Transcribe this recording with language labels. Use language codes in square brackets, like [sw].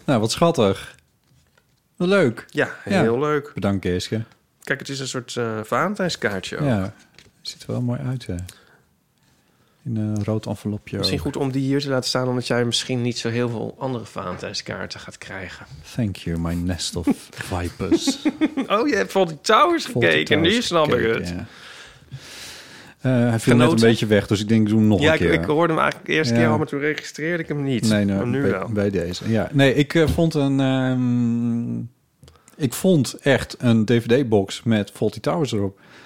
[nl] Nou, wat schattig. Leuk. Ja, heel leuk. Bedankt, Keeske. Kijk, het is een soort Valentijnskaartje ook. Ja, ziet er wel mooi uit, hè. In een rood envelopje. Misschien goed om die hier te laten staan, omdat jij misschien niet zo heel veel andere Valentijnskaarten gaat krijgen. [en] Thank you, my nest of vipers. [nl] Oh, je hebt Fawlty Towers gekeken. Nu snap ik het. Ja. Hij viel net een beetje weg, dus ik denk, ik doe hem nog een keer. Ja, ik hoorde hem eigenlijk de eerste keer, maar toen registreerde ik hem niet. Nee, maar nu wel. Bij deze, ja. Nee, ik vond een... ik vond echt een DVD-box met Fawlty Towers erop.